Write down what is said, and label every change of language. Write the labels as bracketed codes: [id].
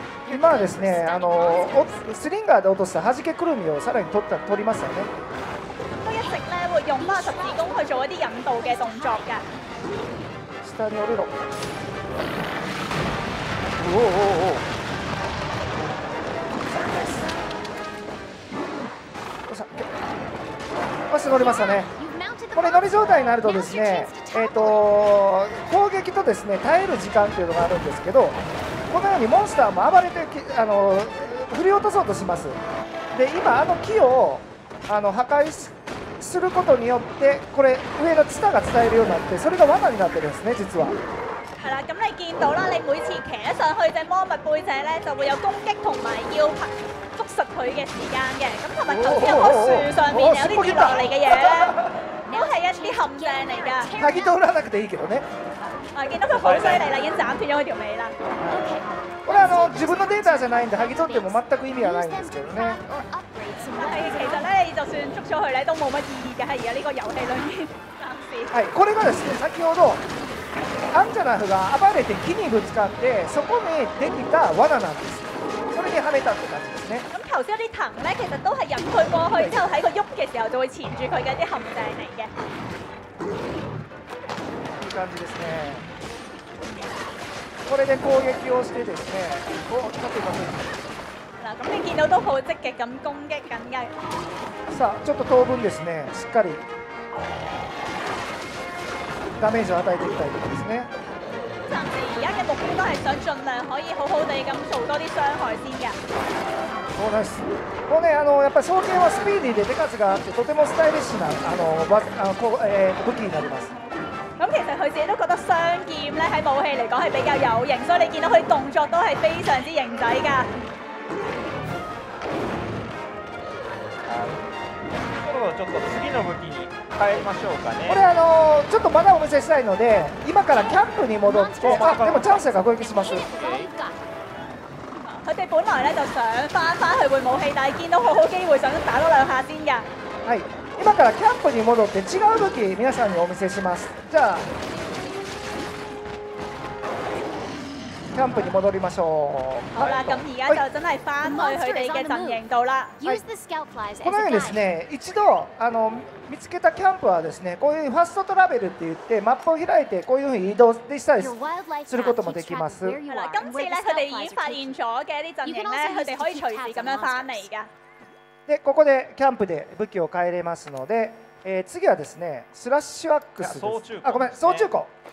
[ja] 今はですね、スリンガーで落とした弾けくるみをさらに取りますよね。 [yue] 都一直咧會用翻十字弓去做一啲引導嘅動作噶。 [ja] 下に降りろ。おおおお。よし乗りましたね。これ乗り状態になるとですね、攻撃とですね耐える時間というのがあるんですけど、このようにモンスターも暴れて振り落とそうとします。で今木を破壊することによって、これ上のツタが伝えるようになって、それが罠になってるんですね。実は。 [yue] 系啦，咁你見到啦，你每次騎上去只魔物背脊咧，就會有攻擊同埋要捉實佢嘅時間嘅。咁同埋頭先有棵樹上面有啲跌落嚟嘅嘢咧，都係一啲陷阱嚟㗎。 [ja] 剝ぎ取らなくていいけどね。 [yue] 啊，見到佢好犀利啦，已經斬斷咗佢條尾啦。 [ja] これ自分のデータじゃないんで、剥ぎ取っても全く意味はないんですけどね。 [yue] 其實咧，就算捉咗佢咧，都冇乜意義嘅，喺而家呢個遊戲裏面。し、 [ja] はい、これがですね先ほどアンジャナフが暴れて木にぶつかってそこにできた罠なんです。それにはめたって感じですね。 [yue] 咁頭先啲藤咧，其实都系引佢过去之后喺佢喐嘅时候就会缠住佢嘅啲陷阱嚟嘅。 [ja] いい感じですね。これで攻撃をしてですね、こう立てます。 [yue] 嗱，咁你见到都好积极咁攻击紧嘅。 [ja] さあ、ちょっと当分ですね、しっかり。ダメージを与えていきたいところですね。 [yue] 暫時而家嘅目標都係想盡量可以好好地咁做多啲傷害先嘅。 [ja] そうなんです。もうね、やっぱり双剣はスピーディーで手数があってとてもスタイリッシュな武器になります。 [yue] 咁其實佢自己都覺得雙劍咧喺武器嚟講係比較有型，所以你見到佢動作都係非常之型仔噶。 [ja] ちょっと次の武器に変えましょうかね。これちょっとまだお見せしたいので今からキャンプに戻って、まあ、でもチャンスが攻撃します。 [yue] 他们本来就想回去会武器，但见到好好机会想打多两下先的。 [ja] はい、今からキャンプに戻って違う武器皆さんにお見せします。じゃあキャンプに戻りましょう。 [yue] 好啦，咁而家就真系翻去佢哋嘅阵营度啦。 [ja] このようにですね、一度見つけたキャンプはですね、こういうファストトラベルって言ってマップを開いてこういうふうに移動でしたりすることもできます。 [yue] 今次咧，佢哋已经发现咗嘅一啲阵营咧，佢哋可以随时咁样翻嚟噶。 [ja] で、ここでキャンプで武器を変えれますので、次はですね、スラッシュアックスです。あ、ごめん、総中古。